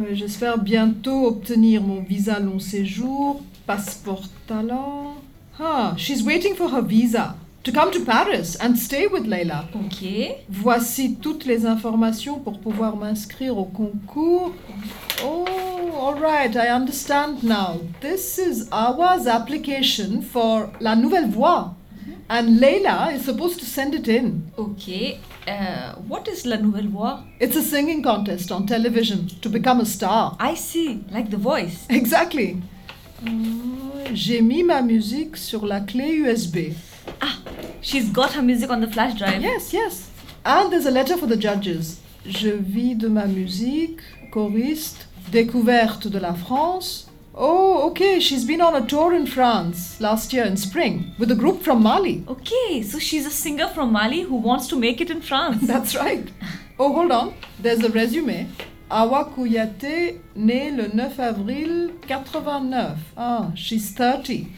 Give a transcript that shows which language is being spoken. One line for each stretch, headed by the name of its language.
French: J'espère bientôt obtenir mon visa long séjour, passeport talent.
English: Huh, she's waiting for her visa to come to Paris and stay with Leila. Ok.
French: Voici toutes les informations pour pouvoir m'inscrire au concours.
English: Oh, all right, I understand now. This is Awa's application for La Nouvelle Voix. And Leila is supposed to send it in. Okay, what is La Nouvelle Voix? It's a singing contest on television to become a star. I see, like The Voice. Exactly.
French: J'ai mis ma musique sur la clé USB.
English: Ah, she's got her music on the flash drive. Yes, yes. And there's a letter for the judges.
French: Je vis de ma musique, choriste, découverte de la France.
English: Oh, okay, she's been on a tour in France last year in spring with a group from Mali. Okay, so she's a singer from Mali who wants to make it in France. That's right. Oh, hold on, there's a resume. Awa Kouyaté,
French: née le 9 avril 89.
English: Ah, she's 30.